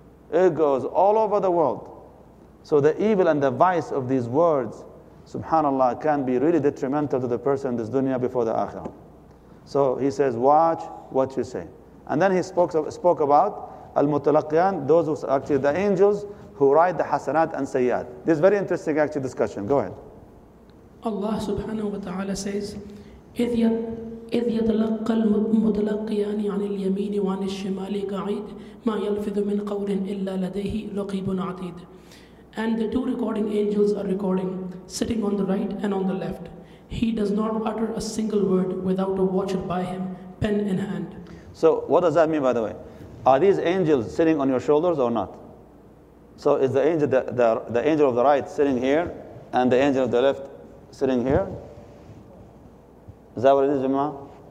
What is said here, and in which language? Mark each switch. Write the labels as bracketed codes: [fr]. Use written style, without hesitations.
[en] It goes all over the world. So the evil and the vice of these words, subhanallah, can be really detrimental to the person in this dunya before the akhirah. So he says, watch what you say. And then he spoke about al-mutalaqiyan, those who actually the angels who write the hasanat and sayyat. This is very interesting actually discussion. Go ahead. Allah subhanahu wa ta'ala says, Idhiyat. [ar] إِذْ يَتَلَقَّ الْمُتَلَقِّيَانِ عَنِ الْيَمِينِ وَعَنِ الشِّمَالِ قَعِيدٍ مَا يَلْفِذُ مِنْ قَوْلٍ إِلَّا لَدَيْهِ رَقِيبٌ عَتِيدٌ. [en] And the two recording angels are recording, sitting on the right and on the left. He does not utter a single word without a watcher by him, pen in hand. So what does that mean, by the way? Are these angels sitting on your shoulders or not? So is the angel the angel of the right sitting here and the angel of the left sitting here? Is that what it is, Jamaa?